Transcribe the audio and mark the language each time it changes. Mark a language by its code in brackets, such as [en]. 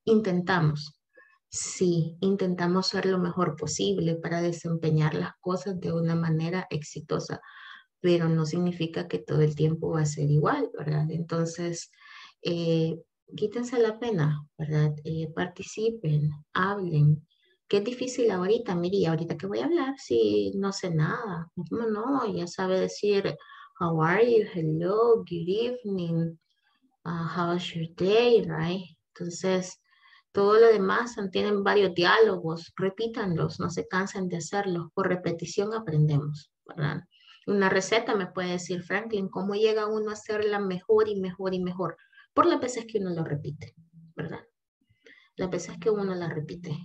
[es] Intentamos, sí, intentamos ser lo mejor posible para desempeñar las cosas de una manera exitosa, pero no significa que todo el tiempo va a ser igual, ¿verdad? Entonces, quítense la pena, ¿verdad? Participen, hablen. ¿Qué es difícil ahorita? Miri, ahorita que voy a hablar, sí, no sé nada. ¿Cómo no? Ya sabe decir, [en] how are you, hello, good evening. How was your day, right? [es] Entonces, todo lo demás, tienen varios diálogos, repítanlos, no se cansen de hacerlos, por repetición aprendemos, ¿verdad? Una receta me puede decir Franklin, ¿cómo llega uno a hacerla mejor y mejor y mejor? Por las veces que uno lo repite, ¿verdad? Las veces que uno la repite.